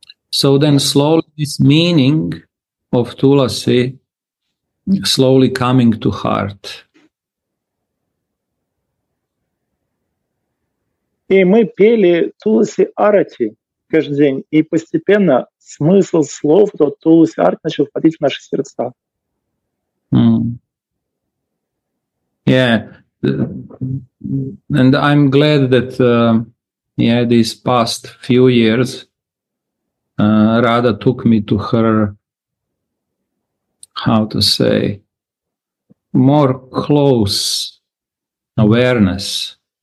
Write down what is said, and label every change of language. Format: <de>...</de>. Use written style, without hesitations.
<en>So then slowly this meaning of Tulasi slowly coming to heart.</en> <ru>И мы пели Туласи Арати каждый день, и постепенно смысл слов то Туласи Арати начал входить в наши сердца. Mm.</ru> <en>Yeah, and I'm glad that these past few years Radha took me to her, how to say, more close awareness.</en>